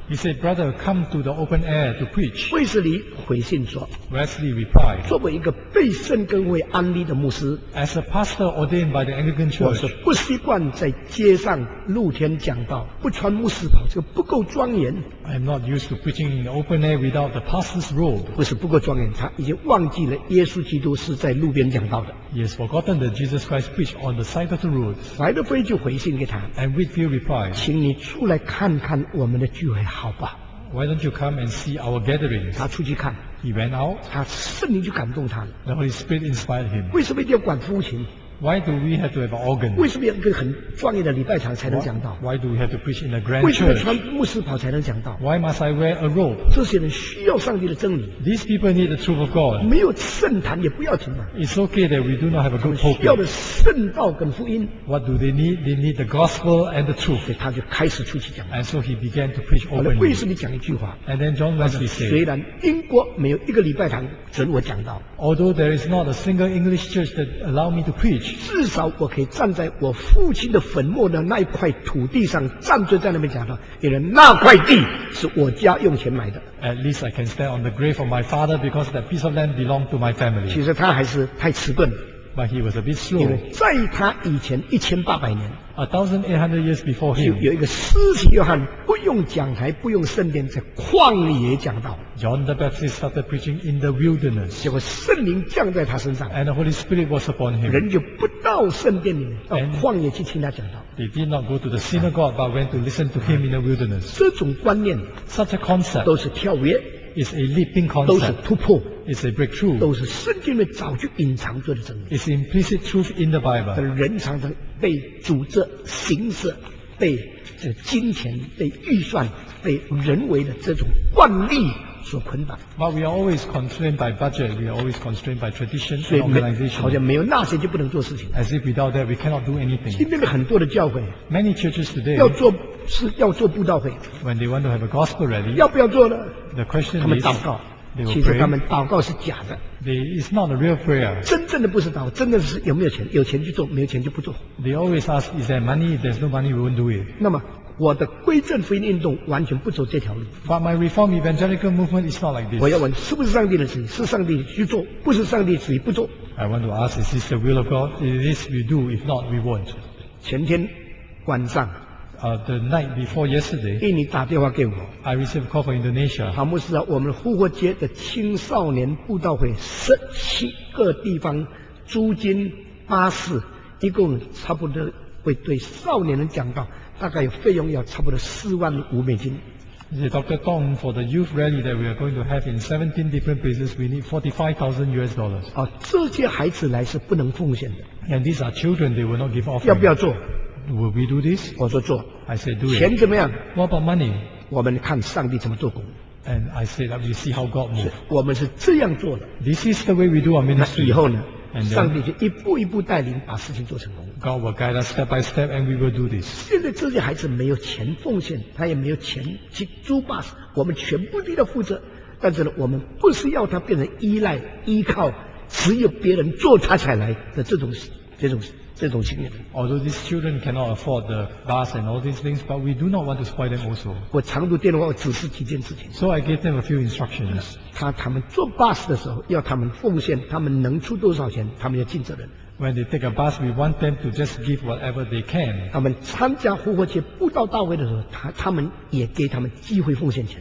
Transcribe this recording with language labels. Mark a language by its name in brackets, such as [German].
[English] He said, "Brother, come to the open air to preach." [Chinese] 卫斯理回信说。 [English] Wesley replied. [Chinese] 作为一个被圣公会安立的牧师。 [English] As a pastor ordained by the Anglican Church. [Chinese] 我是不习惯在街上露天讲道，不穿牧师袍，这个不够庄严。 [English] I am not used to preaching in the open air without the pastor's robe. [Chinese] 不是不够庄严，他已经忘记了耶稣基督是在路边讲道的。 [English] He has forgotten that Jesus Christ preached on the side of the road. [Chinese] 怀特菲就回信给他。 [English] And Whitfield replied. [Chinese] 请你出来看看我们的聚会好吧。 [English] Why don't you come and see our gathering? [Chinese] 他出去看。 [English] He went out. [Chinese] 他圣灵就感动他了。 [English] The Holy Spirit inspired him. [Chinese] 为什么一定要管风琴？ [English] Why do we have to have an organ? [Chinese] 为什么要一个很庄严的礼拜堂才能讲道？ [English] Why do we have to preach in a grand church? [Chinese] 为什么穿牧师袍才能讲道？ [English] Why must I wear a robe? [Chinese] 这些人需要上帝的真理。 [English] These people need the truth of God. [Chinese] 没有圣坛也不要紧嘛。 [English] It's okay that we do not have a good pulpit. [Chinese] 需要的圣道跟福音。 [English] What do they need? They need the gospel and the truth. [Chinese] 所以他就开始出去讲道。 [English] And so he began to preach openly. [Chinese] 为什么讲一句话？ [English] And then John Wesley said, [Chinese] 虽然英国没有一个礼拜堂准我讲道。 [English] Although there is not a single English church that allow me to preach. [Chinese] 至少我可以站在我父亲的坟墓的那一块土地上，站着在那边讲道，因为那块地是我家用钱买的。 [English] At least I can stand on the grave of my father because that piece of land belonged to my family. [Chinese] 其实他还是太迟钝。 [English] But he was a bit slow. [Chinese] 因为在他以前1800年 [English] 1800 years before him, [Chinese] 有一个施洗约翰不用讲台，不用圣殿，在旷野讲道。 [English] John the Baptist started preaching in the wilderness. [Chinese] 结果圣灵降在他身上。 [English] And the Holy Spirit was upon him. [Chinese] 人就不到圣殿里面，到旷野去听他讲道。 [English] They did not go to the synagogue, but went to listen to him in the wilderness. [Chinese] 这种观念 [English] ，such a concept, [Chinese] 都是跳跃。 [English] Is a leaping concept. [Chinese] 都是突破。 [English] It's a breakthrough. [Chinese] 都是圣经里早就隐藏着的真理。 [English] It's implicit truth in the Bible. [Chinese] 但人常常被组织、形式、被这金钱、被预算、被人为的这种惯例所捆绑。 [English] But we are always constrained by budget. We are always constrained by tradition and organization. [Chinese] 好像没有那些就不能做事情。 [English] As if without that, we cannot do anything. [Chinese] 今天的很多的教会。 [English] Many churches today. [Chinese] 要做是要做布道会。 [English] When they want to have a gospel rally, [Chinese] 要不要做呢？ [English] The question is, [Chinese] 他们祷告。其实他们祷告是假的。 [English] It's not a real prayer. [Chinese] 真正的不是祷告，真的是有没有钱，有钱就做，没有钱就不做。 [English] They always ask, is there money? If there's no money, we won't do it. [Chinese] 那么我的归正福音运动完全不走这条路。 [English] But my reform evangelical movement is not like this. [Chinese] 我要问，是不是上帝的旨意？是上帝去做，不是上帝旨意不做。 [English] I want to ask, is this the will of God? If it is, we do. If not, we won't. [Chinese] 前天晚上。 [English] The night before yesterday, [Chinese] 印尼打电话给我 [English] I received a call from Indonesia. [Chinese] 好牧师啊，我们复活节的青少年布道会17个地方，租金巴士，一共差不多会对少年人讲道，大概有费用要差不多$45,000。 [English] Dr. Tong, for the youth rally that we are going to have in 17 different places, we need $45,000. [Chinese] 啊，这些孩子来是不能奉献的。 [English] And these are children; they will not give offering. [Chinese] 要不要做？ [English] Will we do this? [Chinese] 我说做。 [English] I said do it. [Chinese] 钱怎么样？ [English] What about money? [Chinese] 我们看上帝怎么做工。 [English] And I said that we see how God moves. [Chinese] 我们是这样做的。 [English] This is the way we do our ministry. [Chinese] 那以后呢？ [English] And then, [Chinese] 上帝就一步一步带领把事情做成功。 [English] God will guide us step by step, and we will do this. [Chinese] 现在这些孩子没有钱奉献，他也没有钱去租巴士，我们全部都要负责。但是呢，我们不是要他变成依赖、依靠，只有别人做他才来的这种事。这种经验。 [English] Although these children cannot afford the bus and all these things, but we do not want to spoil them also. [Chinese] 我长途电话，我指示几件事情。 [English] So I gave them a few instructions. [Chinese] 他们坐 bus 的时候，要他们奉献，他们能出多少钱，他们要尽责任。 [English] When they take a bus, we want them to just give whatever they can. [Chinese] 他们参加复活节布道大会的时候，他们也给他们机会奉献钱。